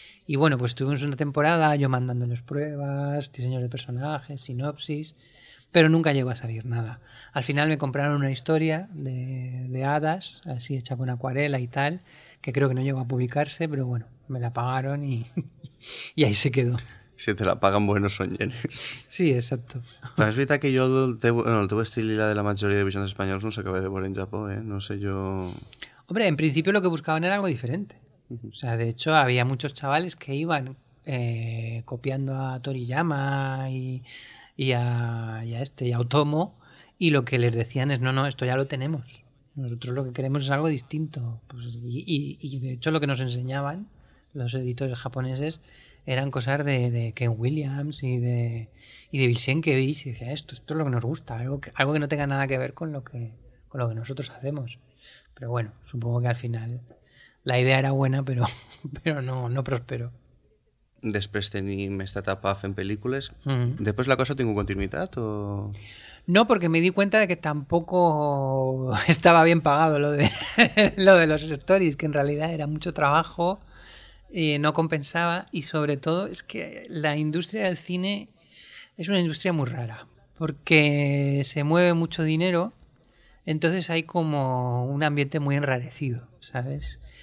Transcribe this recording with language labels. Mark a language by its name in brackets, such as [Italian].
[Spanish] Y bueno, pues tuvimos una temporada yo mandándoles pruebas, diseños de personajes, sinopsis, pero nunca llegó a salir nada. Al final me compraron una historia de hadas, así hecha con acuarela y tal, que creo que no llegó a publicarse, pero bueno, me la pagaron y ahí se quedó. Si te la paguen buenos son llenes. Sí, exacto. [Catalan] També és veritat que jo el teu estil i la de la majoria de visions espanyols no s'acaba de veure en Japó, eh? No sé jo... [Spanish] Hombre, en principio lo que buscaban era algo diferente. O sea, de hecho, había muchos chavales que iban copiando a Toriyama y a Otomo, y lo que les decían es no, esto ya lo tenemos. Nosotros lo que queremos es algo distinto. Pues, y de hecho lo que nos enseñaban los editores japoneses eran cosas de Ken Williams y de Vilsenkevich, y decía esto es lo que nos gusta, algo que no tenga nada que ver con lo que nosotros hacemos. Pero bueno, supongo que al final la idea era buena, pero no prosperó. [Catalan] Després tenim esta etapa fent pel·lícules. Mm-hmm. Després la cosa tinc continuïtat o...? [Spanish] No, porque me di cuenta de que tampoco estaba bien pagado lo de los stories, que en realidad era mucho trabajo y no compensaba, y sobre todo es que la industria del cine es una industria muy rara porque se mueve mucho dinero, entonces hay como un ambiente muy enrarecido, ¿sabes?